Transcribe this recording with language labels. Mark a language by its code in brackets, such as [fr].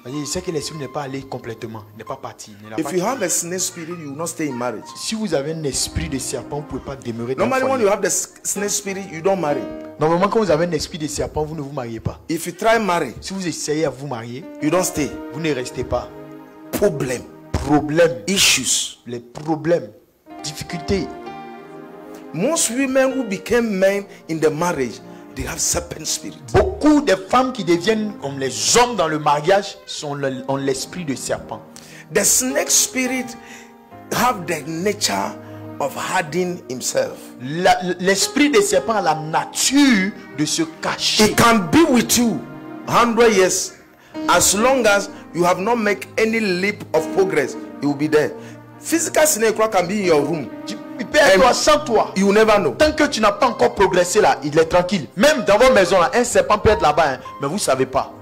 [fr] Je sais que l'esprit n'est pas allé complètement, n'est pas parti. [en] If you have a snake spirit, you will not stay in marriage. [fr] Si vous avez un esprit de serpent, vous pouvez pas demeurer. [en] Normally, when you have the snake spirit, you don't marry. [fr] Normalement, quand vous avez un esprit de serpent, vous ne vous mariez pas. [en] If you try marry, [fr] si vous essayez à vous marier, [en] you don't stay. [fr] Vous ne restez pas. Problème. Problème. [en] Issues. [fr] Les problèmes. Difficultés. [en] Most women who became men in the marriage, they have serpent spirit. [fr] Beaucoup de femmes qui deviennent comme les hommes dans le mariage sont ont l'esprit de serpent. [en] The snake spirit have the nature of hiding himself. [fr] L'esprit de serpent a la nature de se cacher. [en] It can be with you 100 years as long as you have not made any leap of progress, it will be there. Physical snake can be in your room. [fr] Il peut être sans toi. [en] You never know. [fr] Tant que tu n'as pas encore progressé là, il est tranquille. Même dans vos maisons là, un serpent peut être là-bas, hein, mais vous savez pas.